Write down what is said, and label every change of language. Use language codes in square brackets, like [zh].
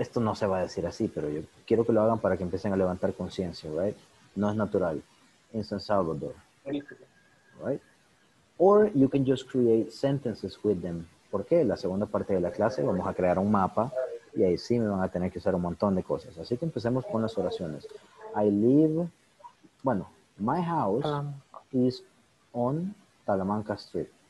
[es] Esto no se va a decir así, pero yo quiero que lo hagan para que empiecen a levantar conciencia, right? No es natural. [en] In San Salvador. Right? Or you can just create sentences with them. [es] ¿Por qué? La segunda parte de la clase vamos a crear un mapa y ahí sí me van a tener que usar un montón de cosas. Así que empecemos con las oraciones. [en] I live, bueno, my house is on Talamanca Street.